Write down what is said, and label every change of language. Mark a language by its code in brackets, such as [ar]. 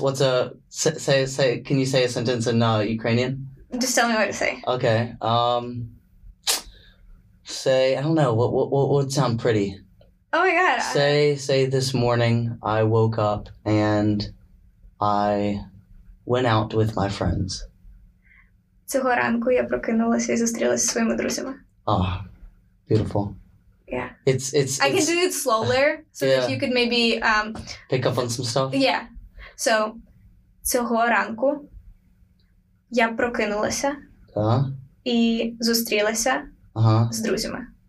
[en] What's a say? Can you say a sentence in Ukrainian? Just tell me what to say. Okay. Say I don't know. What would sound pretty? Oh my God. Say this morning I woke up and I went out with my friends. [uk] Цього ранку я прокинулася і зустрілася зі своїми друзями. [en] Oh, beautiful. Yeah. It's I can do it slower so yeah. That you could maybe pick up on some stuff. Yeah. [uk] So цього ранку я прокинулася і зустрілася з друзями.